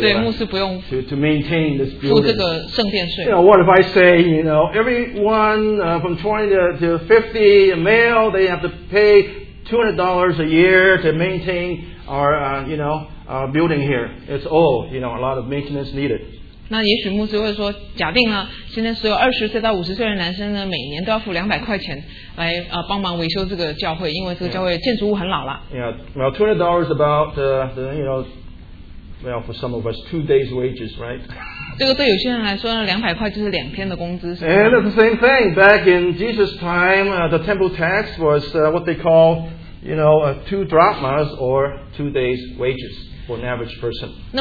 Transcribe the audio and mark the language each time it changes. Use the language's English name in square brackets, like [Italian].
[Chinese] 对, 牧师不用 [English] to maintain this building. [Chinese] 付这个圣殿税。 [English] What if I say, everyone from 20 to 50, a male, they have to pay $200 a year to maintain our, our building here. It's all, a lot of maintenance needed. [Chinese] 那也许牧师会说, 假定了, 现在所有20岁到50岁的男生呢, 每年都要付200块钱, 来, 帮忙维修这个教会, 因为这个教会建筑物很老了。 [English] Yeah, well, $200 about, for some of us, 2 days' wages, right? [Chinese] 这个对有些人来说呢，200块就是两天的工资。 [English] And it's the same thing. Back in Jesus' time, the temple tax was what they call, two drachmas or 2 days' wages for an average person.